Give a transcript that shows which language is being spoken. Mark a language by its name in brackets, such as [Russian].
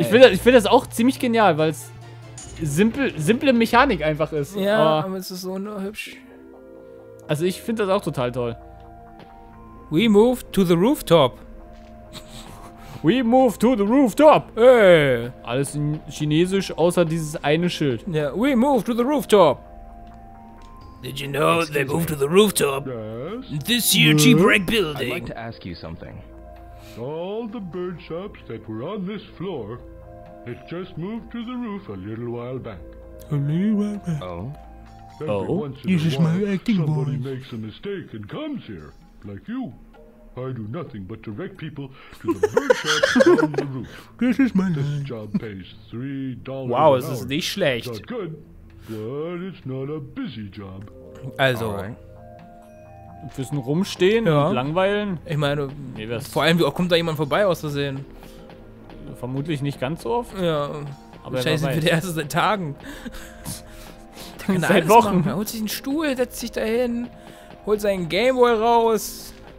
[German] Ich finde das auch ziemlich genial, weil es simple Mechanik einfach ist. Ja, aber es ist so nur hübsch. Also ich finde das auch total toll. [English] We move to the rooftop. We move to the rooftop. Hey. [German] Alles in Chinesisch, außer dieses eine Schild. [English] Yeah, we move to the rooftop. Did you know they move to the rooftop? Yes. This year, cheap break building. I'd like to ask you something. All the bird shops that were on this floor, it just moved to the roof a little while back. A little while back. Oh. This is my acting voice. Somebody makes a mistake and comes here, like you. I do nothing but direct people to the bird shop on the roof. This is my name. This job pays $3 an hour. [German] Wow, es ist nicht schlecht. [English] It's not good, but it's not a busy job. [German] Also. Ein bisschen rumstehen, ja. Und langweilen. Ich meine, nee, vor allem, wie oft kommt da jemand vorbei aus Versehen? Vermutlich nicht ganz so oft. Ja. Aber wahrscheinlich sind wir der Erste seit Tagen. Seit Wochen. Er holt sich einen Stuhl, setzt sich da hin, holt seinen Gameboy raus.